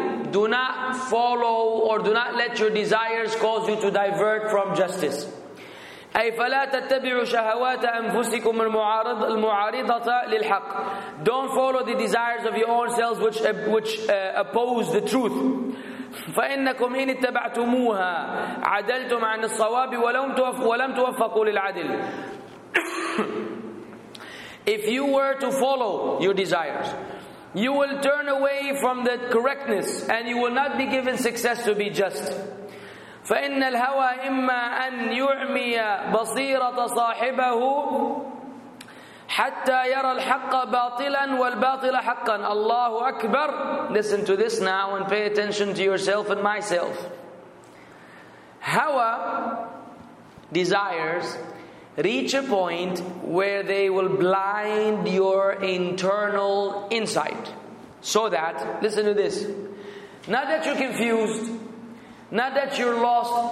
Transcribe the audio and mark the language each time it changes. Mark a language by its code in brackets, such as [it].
[en] Do not follow or do not let your desires cause you to divert from justice. [ar] أي فلا تتبعوا شهوات أنفسكم المعارضة للحق. [en] Don't follow the desires of your own selves which oppose the truth. [ar] فإنكم إن اتبعتموها عدلتم عن الصواب ولم توفقوا للعدل. [en] If you were to follow your desires, you will turn away from the correctness and you will not be given success to be just. [ar] فإن الهوى إما أن يعمي بصيرة صاحبه حتى يرى الحق باطلا والباطل حقا. الله أكبر. [en] Listen to this now and pay attention to yourself and myself. هوى, desires, reach a point where they will blind your internal insight. So that, listen to this, not that you're confused, not that you're lost.